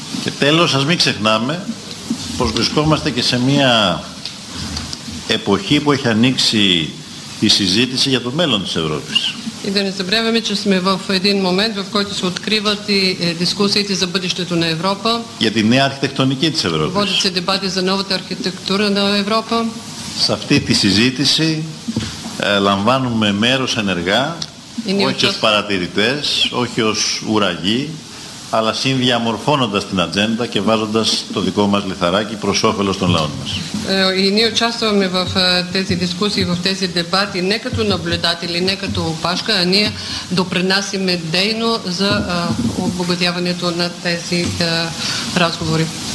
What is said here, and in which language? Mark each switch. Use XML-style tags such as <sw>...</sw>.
<el>Και τέλος, ας μην ξεχνάμε, πως βρισκόμαστε και σε μια εποχή που έχει ανοίξει η συζήτηση για το μέλλον της Ευρώπης.</el> <bg>И да не забравяме, че сме в един момент, в който се откриват и дискусиите за бъдещето на Европа.</bg> <el>Για την νέα αρχιτεκτονική της Ευρώπης.</el> <bg>Водят се дебати за новата архитектура на Европа.</bg> <el>Σε αυτή τη συζήτηση λαμβάνουμε μέρος ενεργά, όχι ως παρατηρητές, όχι ως ουραγοί, αλλά συνδιαμορφώνοντας την ατζέντα και βάζοντας το δικό μας λιθαράκι προς όφελος των λαών μας.</el> <bg>Ние участваме в тези дискусии, в тези дебати не като наблюдатели, не като опашка, а ние допринасяме дейно за обогатяването на тези разговори.</bg>